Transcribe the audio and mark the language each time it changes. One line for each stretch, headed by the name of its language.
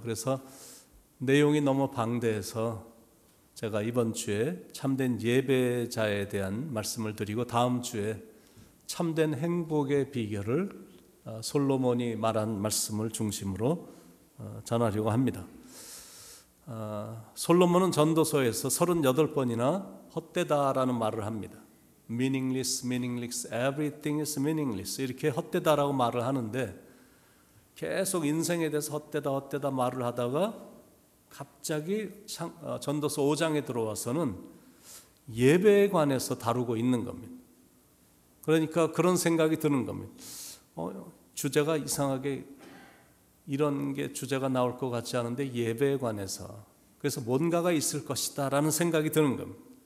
Korean: 그래서 내용이 너무 방대해서 제가 이번 주에 참된 예배자에 대한 말씀을 드리고 다음 주에 참된 행복의 비결을 솔로몬이 말한 말씀을 중심으로 전하려고 합니다. 솔로몬은 전도서에서 38번이나 헛되다라는 말을 합니다.
English: Meaningless, meaningless, everything is meaningless.
Korean: 이렇게 헛되다라고 말을 하는데 계속 인생에 대해서 헛되다 헛되다 말을 하다가 갑자기 전도서 5장에 들어와서는 예배에 관해서 다루고 있는 겁니다. 그러니까 그런 생각이 드는 겁니다. 주제가 이상하게 이런 게 주제가 나올 것 같지 않은데 예배에 관해서 그래서 뭔가가 있을 것이다 라는 생각이 드는 겁니다.